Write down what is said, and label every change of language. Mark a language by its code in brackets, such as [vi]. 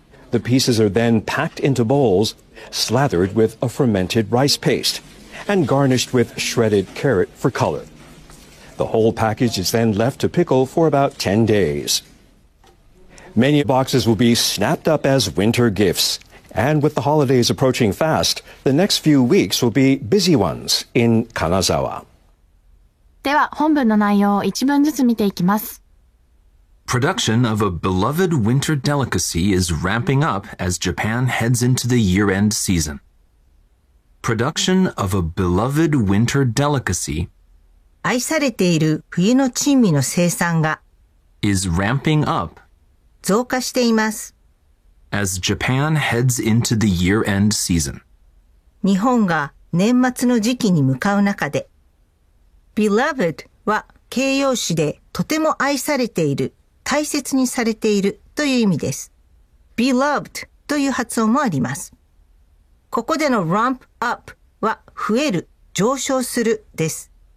[en] The pieces are then packed into bowls, slathered with a fermented rice paste, and garnished with shredded carrot for color. The whole package is then left to pickle for about 10 days. Many boxes will be snapped up as winter gifts, and with the holidays approaching fast, the next few weeks will be busy ones in Kanazawa. [ja] では本文の内容を一文ずつ見ていきます。 [en] Production of a beloved winter delicacy is ramping up as Japan heads into the year-end season. Production of a beloved winter delicacy [ja] 愛されている冬の珍味の生産が [en] is ramping up [ja] 増加しています [en] as Japan heads into the year-end season. [ja] 日本が年末の時期に向かう中でBeloved は形容詞でとても愛されている、大切にされているという意味です。 Beloved という発音もあります。ここでの ramp up は増える、上昇するです。